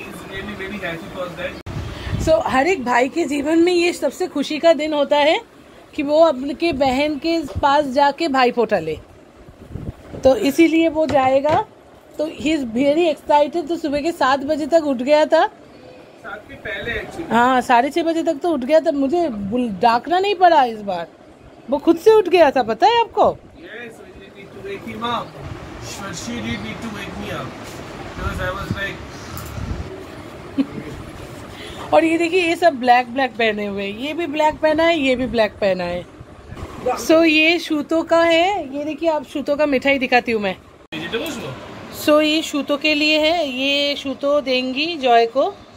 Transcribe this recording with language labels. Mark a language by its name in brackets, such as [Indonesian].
[Hindi] सो हर एक भाई के जीवन में ये सबसे खुशी का दिन होता है कि वो अपने बहन के पास जाके भाई फोटा ले, तो इसीलिए वो जाएगा। तो [English] He is very excited. [Hindi] तो सुबह के 7 बजे तक उठ गया था, 7 के पहले एक्चुअली, हाँ 6:30 बजे तक तो उठ गया था। मुझे डाकना नहीं पड़ा इस बार, वो खुद से उठ गया था, पता है आपको? [English] Yes, we need to wake him up. She did need to wake me up. Because I was like... [Hindi] और ये देखिए ये सब ब्लैक ब्लैक पहने हुए, ये भी ब्लैक पहना है, ये भी ब्लैक पहना है। सो ये शूतो का है, ये देखिए आप शूतो का मिठाई दिखाती हूँ मैं। सो ये शूतो के लिए है, ये शूतो देंगी जॉय को।